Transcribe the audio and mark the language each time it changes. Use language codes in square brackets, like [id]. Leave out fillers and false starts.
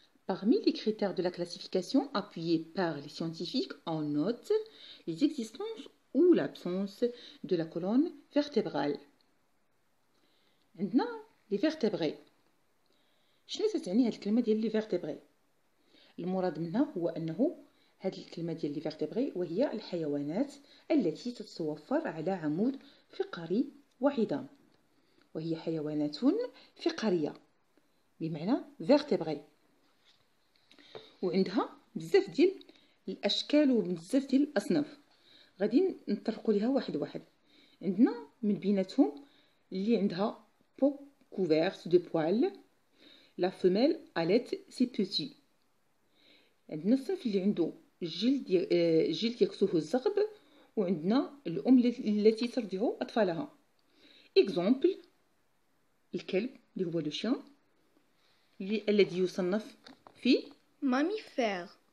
[fr] Parmi les critères de la classification appuyés par les scientifiques, on note les existences ou l'absence de la colonne vertébrale. Maintenant, les vertébrés. [ar] شنو تعني هاد الكلمه ديال لي فيرتيبري؟ المراد منها هو انه هاد الكلمه ديال لي فيرتيبري وهي الحيوانات التي تتوفر على عمود فقري وعظام، وهي حيوانات فقرية بمعنى vertebrae، وعندها بزاف ديال الأشكال وبزاف ديال الأصناف. غادي نطرقوا لها واحد واحد. عندنا من بيناتهم اللي عندها [fr] peau couverte de poils، la femelle allaite ses petits. [ar] عندنا الصنف اللي عنده جلد يكسوه الزغب، وعندنا الأم التي ترضع أطفالها. Example الكلب اللي هو لو شيان الذي يصنف في [fr] ماميفير.